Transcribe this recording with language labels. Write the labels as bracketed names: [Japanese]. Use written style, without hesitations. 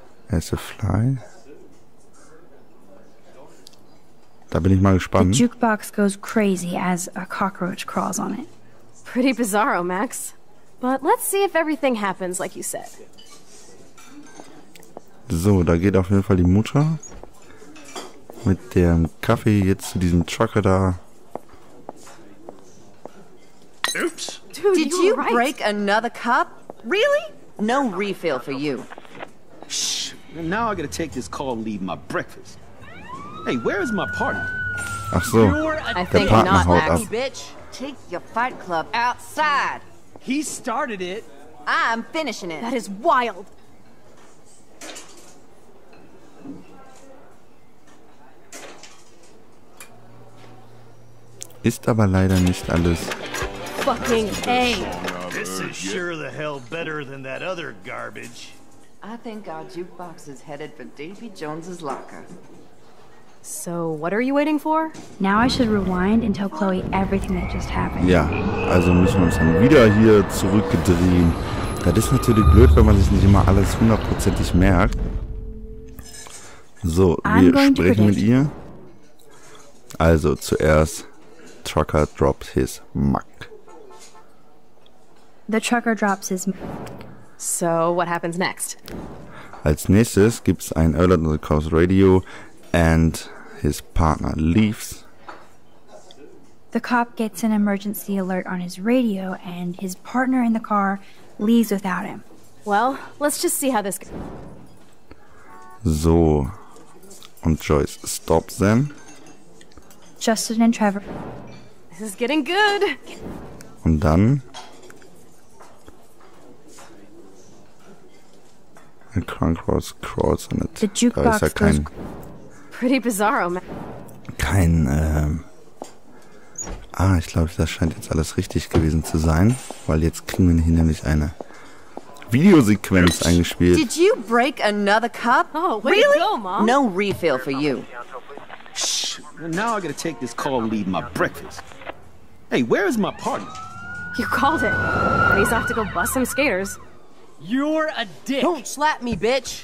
[English] As a fly. [German] Da bin ich mal gespannt. [English] The jukebox goes crazy as a cockroach crawls on it. Pretty bizarro, Max. But let's see if everything happens like you said. [German] So, da geht auf jeden Fall die Mutter mit dem Kaffee jetzt zu diesem Trucker da. Oops. [English] Dude, did you right? break another cup? Really? No refill for you. Shh. Now I gotta take this call and leave my breakfast. Hey, where is my partner? [German] Ach so. Der Partner haut ab. [English] Bitch, take your fight club outside. He started it. I'm finishing it. That is wild. [German] Ist aber leider nicht alles. [English] Fucking A. This is sure the hell better than that other garbage. I think our jukebox is headed for Davy Jones's locker. So, what are you waiting for? Now I should rewind and tell Chloe everything that just happened. [German] Ja, also müssen wir uns dann wieder hier zurückdrehen. Das ist natürlich blöd, wenn man sich nicht immer alles hundertprozentig merkt. So, wir sprechen mit ihr. Also, zuerst, [English] Trucker drops his mug. [German] The trucker drops his mug. So, what happens next? Als nächstes gibt's ein [English] Alert on the Cops Radio. And his partner leaves. The cop gets an emergency alert on his radio and his partner in the car leaves without him. Well, let's just see how this goes. [German] So, und Joyce [English] stops then. Justin and Trevor. This is getting good. [German] Und dann. [English] A crankross crawls on it. The jukebox goes crazy. Pretty bizarro, man. [German] Kein, ich glaube, das scheint jetzt alles richtig gewesen zu sein, weil jetzt kriegen wir hier nämlich eine Videosequenz eingespielt. [English] Did you break another cup? Oh, really? Go, Mom. No refill for you. Shh, now I gotta take this call and leave my breakfast. Hey, where is my partner? You called it. And he's off to go bust some skaters. You're a dick. Don't slap me, bitch.